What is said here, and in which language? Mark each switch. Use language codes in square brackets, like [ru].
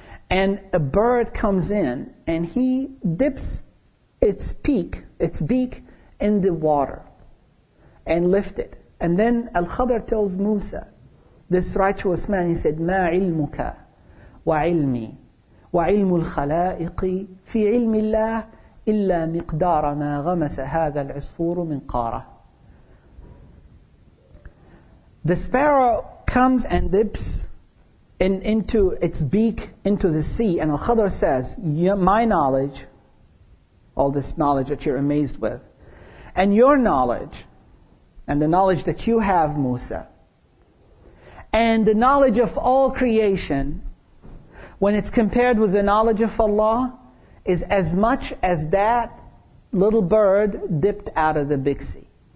[en] And a bird comes in and he dips its beak in the water and lift it. And then Al-Khadr tells Musa, this righteous man, he said, [ar] مَا عِلْمُكَ وَعِلْمِي وَعِلْمُ الْخَلَائِقِ فِي عِلْمِ اللَّهِ إِلَّا مِقْدَارَ مَا غَمَسَ هَذَا الْعِصْفُورُ مِنْ قَارَةِ. [en] The sparrow comes and dips into its beak into the sea, and Al-Khadr says, my knowledge, all this knowledge that you're amazed with, and your knowledge, and the knowledge that you have, Musa, and the knowledge of all creation, when it's compared with the knowledge of Allah, is as much as that little bird dipped out of the big sea.